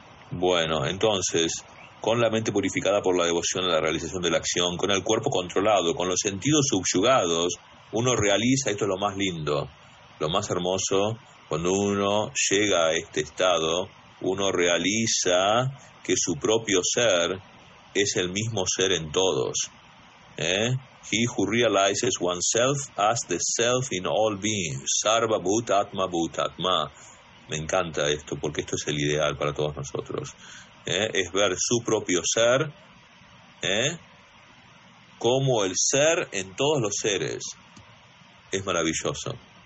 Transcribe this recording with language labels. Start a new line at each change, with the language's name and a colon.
Spanish: Bueno, entonces, con la mente purificada por la devoción a la realización de la acción, con el cuerpo controlado, con los sentidos subyugados, uno realiza, esto es lo más lindo, lo más hermoso, cuando uno llega a este estado, uno realiza que su propio ser es el mismo ser en todos.
English: He who realizes oneself as the self in all beings,
Sanskrit: sarva bhutatma bhutatma.
Spanish: Me encanta esto, porque esto es el ideal para todos nosotros. Es ver su propio ser como el ser en todos los seres. Es maravilloso.